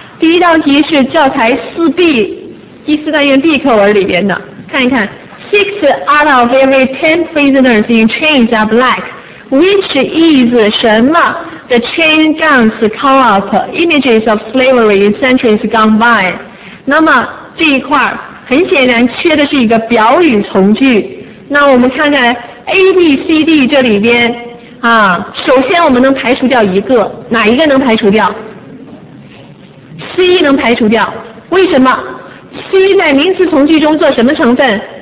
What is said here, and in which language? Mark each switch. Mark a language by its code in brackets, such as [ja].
[zh] 第一道题是教材四 B 第四单元 B 课文里边的，看一看。 [en] 6 out of every 10 prisoners in chains are black. Which is [zh] 什么 [en] the chain guns call up images of slavery in centuries gone by. [zh] 那么这一块很显然缺的是一个表语从句。那我们看看 ABCD 这里边啊，首先我们能排除掉一个，哪一个能排除掉？ C 能排除掉，为什么？C 在名词从句中做什么成分？